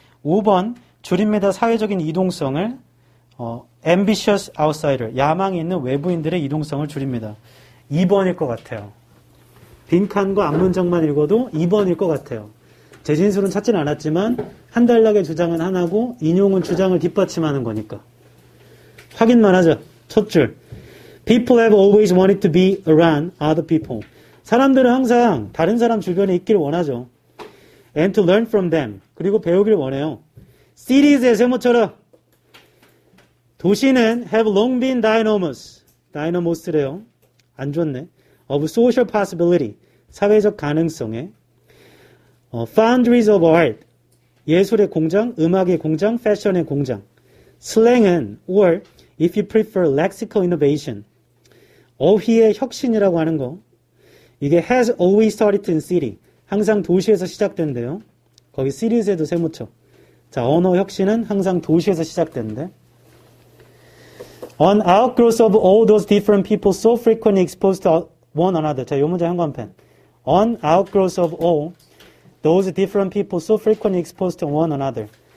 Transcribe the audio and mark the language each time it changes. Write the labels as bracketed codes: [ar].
[ko] 5번, 줄입니다. 사회적인 이동성을. [en] Ambitious outsider, [ko] 야망이 있는 외부인들의 이동성을 줄입니다. 2번일 것 같아요. 빈칸과 앞문장만 읽어도 2번일 것 같아요. 제진술은 찾진 않았지만 한 달락의 주장은 하나고 인용은 주장을 뒷받침하는 거니까. 확인만 하죠. 첫 줄. [en] People have always wanted to be around other people. [ko] 사람들은 항상 다른 사람 주변에 있기를 원하죠. [en] And to learn from them. [ko] 그리고 배우길 원해요. 시리즈의 세모처라. 도시는 [en] have long been dynamos. [ko] Dynamos래요. 안 좋네. [en] Of social possibility. [ko] 사회적 가능성에. [en] Foundries of art. [ko] 예술의 공장, 음악의 공장, 패션의 공장. [en] Slang은 or if you prefer lexical innovation. [ko] 어휘의 혁신이라고 하는 거. 이게 [en] has always started in city. [ko] 항상 도시에서 시작된대요. 거기 시리즈에도 세모쳐. 자, 언어 혁신은 항상 도시에서 시작된대. [en] An outgrowth of all those different people so frequently exposed to one another. [ko] 자, 요 문제 현관펜. [en] An outgrowth of all those different people so frequently exposed to one another.